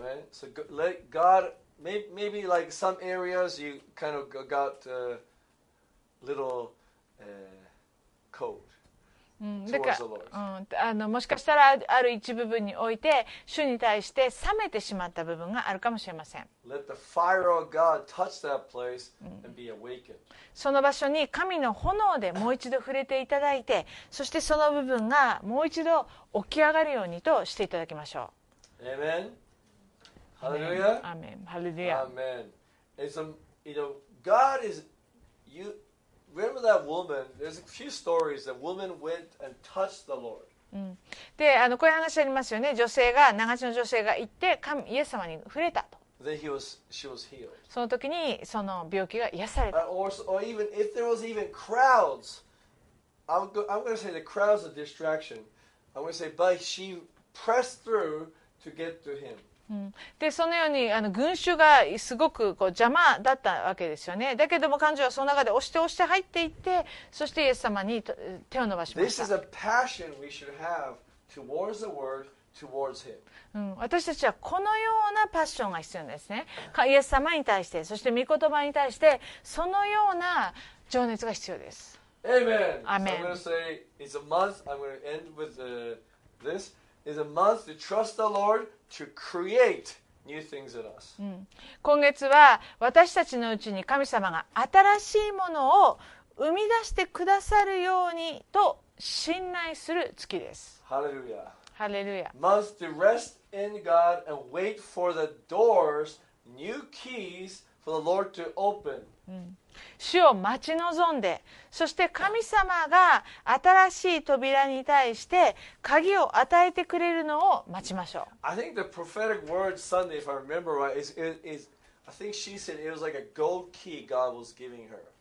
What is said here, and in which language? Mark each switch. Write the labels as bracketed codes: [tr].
[en] Amen. So let God maybe like some areas you kind of got a little cold. [ja] だから、もしかしたらある一部分において主に対して冷めてしまった部分があるかもしれません。 [en] Let the fire of God touch that place and be awakened. [ja] その場所に神の炎でもう一度触れていただいて、そしてその部分がもう一度起き上がるようにとしていただきましょう。 [en] Amen. Hallelujah. Amen. Hallelujah. Amen. And so, you know, God is you. Remember that woman? There's a few stories that woman went and touched the Lord. [ja] で、こういう話ありますよね。女性が、長寿の女性が行って神、イエス様に触れたと。 [en] Then she was healed. [ja] その時にその病気が癒された。 [en] Or even if there was even crowds, I'm going to say the crowds are distraction. I'm going to say, but she pressed through to get to him. [ja] でそのように群衆がすごくこう邪魔だったわけですよね。だけども彼女はその中で押して押して入っていって、そしてイエス様に手を伸ばしました。 [en] This is a passion we should have towards the word, towards him. [ja] 私たちはこのようなパッションが必要ですね。イエス様に対して、そして御言葉に対して、そのような情熱が必要です。 [en] Amen. Amen. So I'm going to say it's a month. I'm going to end with this. It's a month to trust the Lord. To create new things in us. [ja] 今月は私たちのうちに神様が新しいものを生み出してくださるようにと信頼する月です。ハレルヤ。ハレルヤ。 [en] Month to rest in God and wait for the doors, new keys for the Lord to open. [ja] 主を待ち望んで、そして神様が新しい扉に対して鍵を与えてくれるのを待ちましょう。 [en] I think the prophetic word Sunday, if I remember right, is I think she said it was like a gold key God was giving her.